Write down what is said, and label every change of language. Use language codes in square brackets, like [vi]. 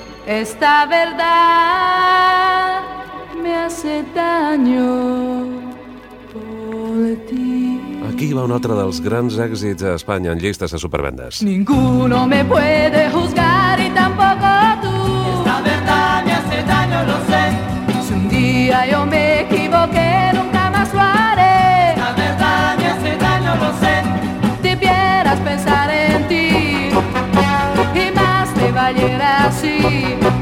[es] Esta verdad me hace daño por ti. [ca] Aquí va un altre dels grans èxits a Espanya en llistes de supervendes. [es] Ninguno me puede juzgar y tampoco tú. Esta verdad me hace daño, lo sé. Si un día yo me equivoqué, nunca más lo haré. Esta verdad me hace daño, lo sé. Si vieras pensar en ti y más te valiera así.